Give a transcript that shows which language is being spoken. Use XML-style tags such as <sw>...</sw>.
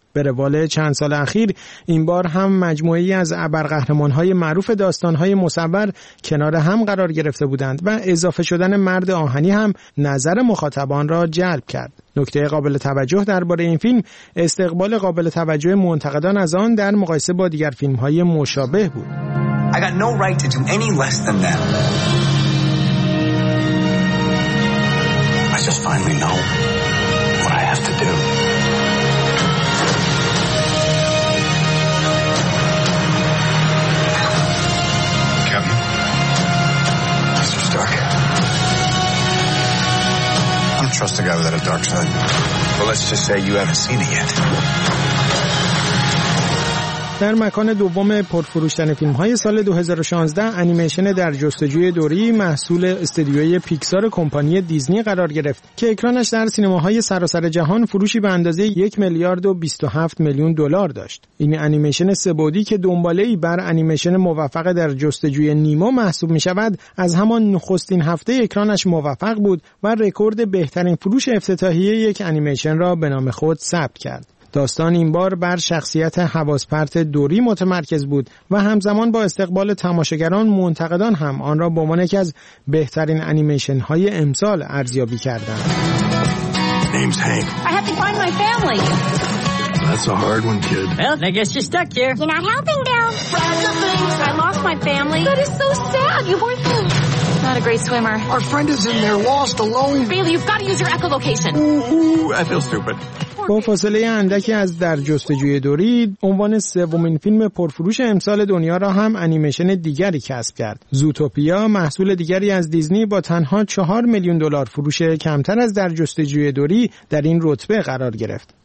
<fa>به روال چند سال اخیر، این بار هم مجموعه‌ای از ابرقهرمان‌های معروف داستان‌های مصور کنار هم قرار گرفته بودند و اضافه شدن مرد آهنی هم نظر مخاطبان را جلب کرد. نکته قابل توجه درباره این فیلم، استقبال قابل توجه منتقدان از آن در مقایسه با دیگر فیلم‌های مشابه بود.</fa> <en>I got no right to do any less than them. I just finally know what I have to do. Captain, Mr. Stark, I don't trust a guy without a dark side. Well, let's just say you haven't seen it yet.</en> <fa>در مکان دوم پرفروشترین فیلم‌های سال 2016، انیمیشن در جستجوی دوری محصول استدیوی پیکسار کمپانی دیزنی قرار گرفت که اکرانش در سینماهای سراسر جهان فروشی به اندازه 1,027,000,000 دلار داشت. این انیمیشن سه‌بعدی که دنباله‌ای بر انیمیشن موفق در جستجوی نیمو محسوب می‌شود، از همان نخستین هفته اکرانش موفق بود و رکورد بهترین فروش افتتاحیه یک انیمیشن را به نام خود ثبت کرد. داستان این بار بر شخصیت حواس‌پرت دوری متمرکز بود و همزمان با استقبال تماشاگران، منتقدان هم آن را به عنوان یکی از بهترین انیمیشن های امسال ارزیابی کردند.</fa> <en>Name's Hank. I have to find my family. That's a hard one, kid. Well, I guess you're stuck here. You're not helping, Bill. Lots of things. I lost my family. That is so sad. You weren't here. Not a great swimmer. Our friend is in there lost alone. Bailey, you've got to use your echolocation. Ooh, I feel stupid.</en> <fa>با فاصله اندکی از در جستجوی دوری، عنوان سومین فیلم پرفروش امسال دنیا را هم انیمیشن دیگری کسب کرد. زوتوپیا، محصول دیگری از دیزنی، با تنها 4,000,000 دلار فروش کمتر از در جستجوی دوری در این رتبه قرار گرفت.</fa>